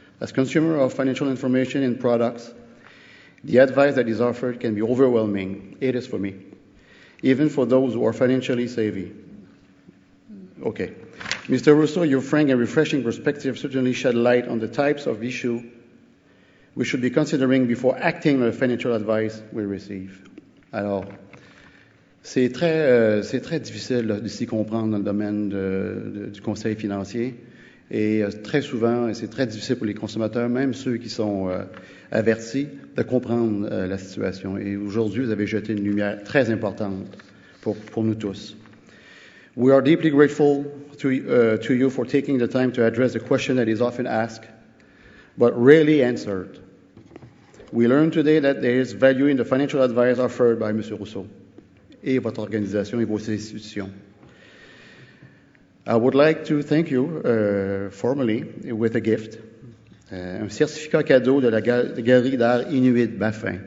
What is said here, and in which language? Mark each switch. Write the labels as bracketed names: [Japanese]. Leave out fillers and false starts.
[English] As consumer of financial information and products, the advice that is offered can be overwhelming. It is for me, even for those who are financially savvy. Okay. Mr. Rousseau, your frank and refreshing perspective certainly shed light on the types of issue we should be considering before acting on the financial advice we receive. [French] Alors, c'est très difficile de s'y comprendre dans le domaine du conseil financier. Et très souvent, et c'est très difficile pour les consommateurs, même ceux qui sont avertis, de comprendre la situation. Et aujourd'hui, vous avez jeté une lumière très importante pour nous tous. [English] We are deeply grateful to you for taking the time to address the question that is often asked, but rarely answered. We learned today that there is value in the financial advice offered by Mr. [French] Rousseau et votre organisation et vos institutions. [English] I would like to thank you formally with a gift, [French] un certificat cadeau de la Galerie d'art Inuit Baffin.